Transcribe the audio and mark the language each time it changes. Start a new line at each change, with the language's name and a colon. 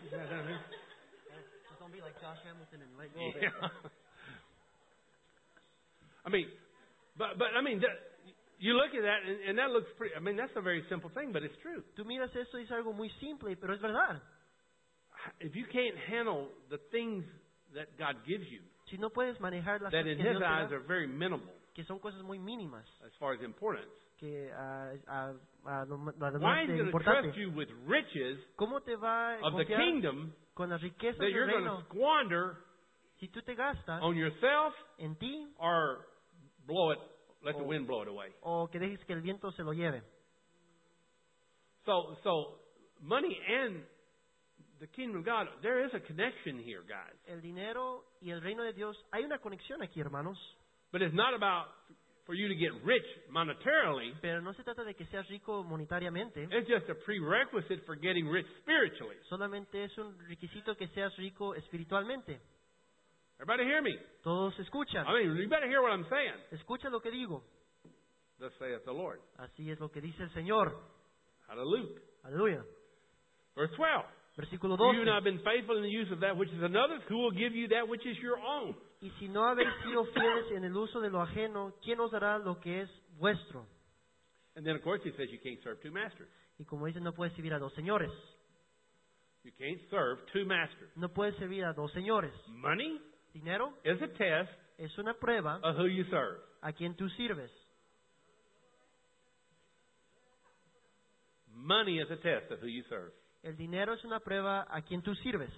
English: Just don't be like Josh Hamilton and let go. Yeah. I mean, but I mean, you look at that and that looks pretty. I mean, that's a very simple thing, but it's true.
Spanish: Tú miras esto y es algo muy simple, pero es verdad.
English: If you can't handle the things that God gives you,
Spanish: si no puedes manejar las
English: that in His eyes are very minimal,
Spanish: que son cosas muy mínimas,
English: as far as importance.
Spanish: Que,
English: why is he going to trust you with riches of the kingdom
Spanish: con las riquezas
English: that you're going to squander
Spanish: si tú te gastas
English: on yourself
Spanish: en ti,
English: or blow it, let the wind blow it away?
Spanish: O que dejes que el viento se lo lleve.
English: So money and the kingdom of God, there is a connection here, guys.
Spanish: El dinero y el reino de Dios, hay una conexión aquí, hermanos.
English: But it's not about for you to get rich monetarily.
Spanish: Pero no se trata de que seas rico monetariamente.
English: It's just a prerequisite for getting rich spiritually.
Spanish: Solamente es un requisito que seas rico espiritualmente.
English: Everybody hear me?
Spanish: Todos escuchan.
English: I mean, you better hear what I'm saying.
Spanish: Escucha lo que digo.
English: Thus saith the Lord.
Spanish: Así es lo que dice el Señor.
English: Hallelujah.
Spanish: Hallelujah.
English: Verse 12.
Spanish: Versículo 12.
English: You have been faithful in the use of that which is another's, who will give you that which is your own?
Spanish: Y si no habéis sido fieles en el uso de lo ajeno, ¿quién os dará lo que es vuestro?
English: And then of course he says you can't serve two masters.
Spanish: Y como dice, no puedes servir a dos señores.
English: You can't serve two masters.
Spanish: No puedes servir a dos señores.
English: Money?
Spanish: Dinero?
English: Is a test.
Spanish: Es una prueba.
English: Of who you serve.
Spanish: ¿A quién tú sirves?
English: Money is a test of who you serve.
Spanish: El dinero es una prueba a quien tú sirves.